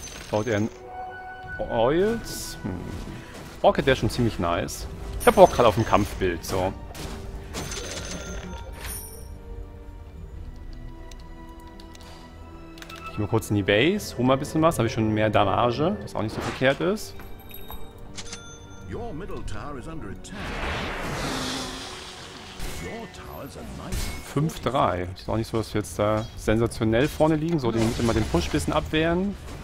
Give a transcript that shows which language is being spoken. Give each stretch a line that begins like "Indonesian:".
German: Baut er ein Oils? Rocket wäre schon ziemlich nice. Ich habe Bock gerade auf ein Kampfbild, so. Ich gehe mal kurz in die Base, hole mal ein bisschen was. Da habe ich schon mehr Damage, was auch nicht so verkehrt ist.
English: Your middle tower is under attack. 5-3.
German: Ist auch nicht so, dass wir jetzt da sensationell vorne liegen. So, die müssen mal den Push bisschen abwehren.